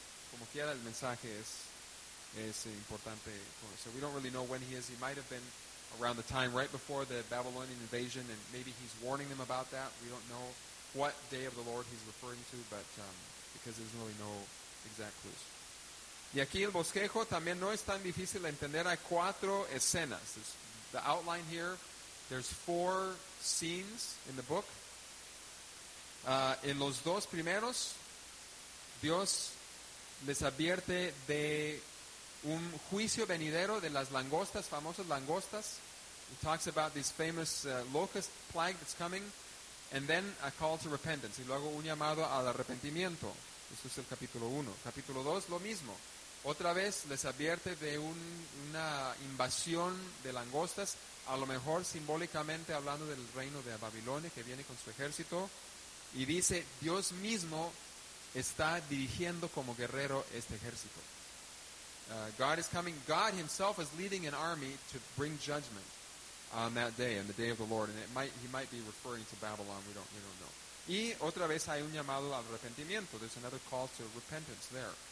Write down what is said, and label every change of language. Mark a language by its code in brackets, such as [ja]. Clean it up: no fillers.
[es] Como quiera, el mensaje es importante. [en] So we don't really know when he is. He might have been around the time right before the Babylonian invasion, and maybe he's warning them about that. We don't know what day of the Lord he's referring to, but because there's really no exact clues. [es] Y aquí el bosquejo también no es tan difícil de entender. Hay cuatro escenas. [en] There's the outline here. There's four scenes in the book. [es] En los dos primeros, Dios les advierte de un juicio venidero de las langostas, famosas langostas. [en] He talks about this famous locust plague that's coming. And then a call to repentance. [es] Y luego un llamado al arrepentimiento. Eso es el capítulo 1. Capítulo 2, lo mismo. Otra vez les advierte de una invasión de langostas, a lo mejor simbólicamente hablando del reino de Babilonia que viene con su ejército. Y dice, Dios mismo está dirigiendo como guerrero este ejército. [en] God is coming. God himself is leading an army to bring judgment on that day, on the day of the Lord. And he might be referring to Babylon. We don't know. [es] Y otra vez hay un llamado al arrepentimiento. [en] There's another call to repentance there.